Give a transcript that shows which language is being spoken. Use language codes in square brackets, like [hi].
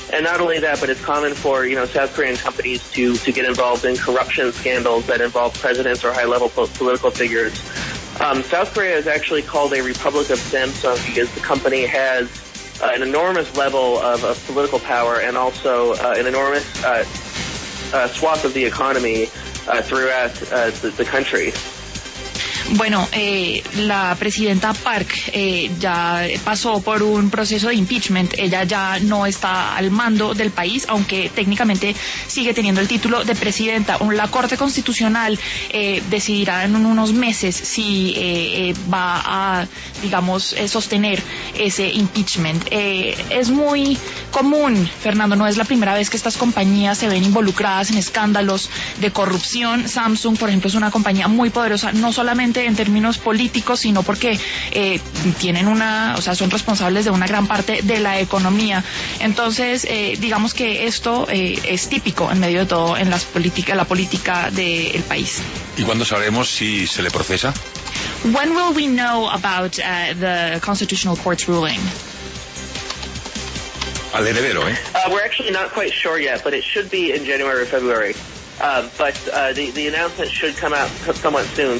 [en] And not only that, but it's common for, you know, South Korean companies to get involved in corruption scandals that involve presidents or high-level political figures. South Korea is actually called a Republic of Samsung because the company has an enormous level of political power and also an enormous swath of the economy throughout the country. [es] Bueno, la presidenta Park ya pasó por un proceso de impeachment. Ella ya no está al mando del país, aunque técnicamente sigue teniendo el título de presidenta. La Corte Constitucional decidirá en unos meses si va a, digamos, sostener ese impeachment. Es muy común, Fernando, no es la primera vez que estas compañías se ven involucradas en escándalos de corrupción. Samsung, por ejemplo, es una compañía muy poderosa, no solamente en términos políticos, sino porque tienen una, o sea, son responsables de una gran parte de la economía. Entonces, digamos que esto es típico en medio de todo en la política del país. ¿Y cuándo sabremos si se le procesa? [en] When will we know about the Constitutional Court's ruling? [es] Al heredero, [en] We're actually not quite sure yet, but it should be in January or February. The announcement should come out somewhat soon.